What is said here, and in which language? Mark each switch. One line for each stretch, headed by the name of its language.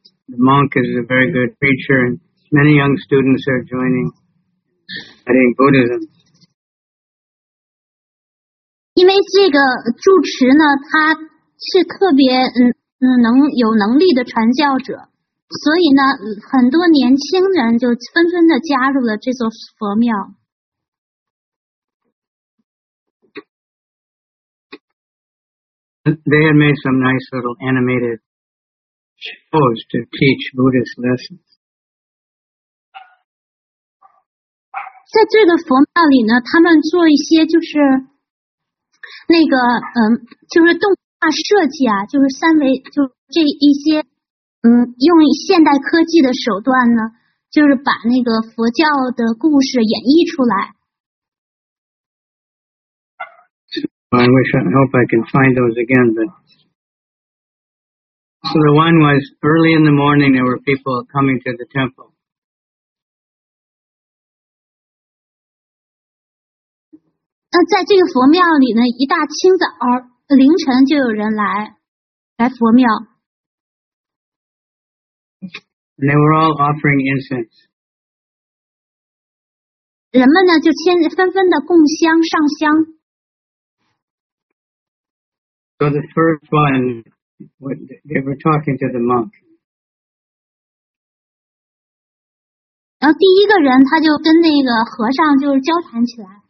English: The monk is a very good preacher, and many young students are joining, studying Buddhism.
Chinese: 因为这个住持呢，他是特别有能力的传教者。所以呢，很多年轻人就纷纷的加入了这座佛庙。
English: They had made some nice little animated shows to teach Buddhist lessons.
Chinese: 在这个佛庙里呢，他们做一些就是那个就是动画设计啊，就是三维，就这一些。用现代科技的手段呢，就是把那个佛教的故事演绎出来。
English: I hope I can find those again, but So the one was early in the morning, there were people coming to the temple. And they were all offering incense.
Chinese: 人们呢就纷纷的供香上香。
English: So the first one, they were talking to the monk.
Chinese: 然后第一个人他就跟那个和尚就交谈起来。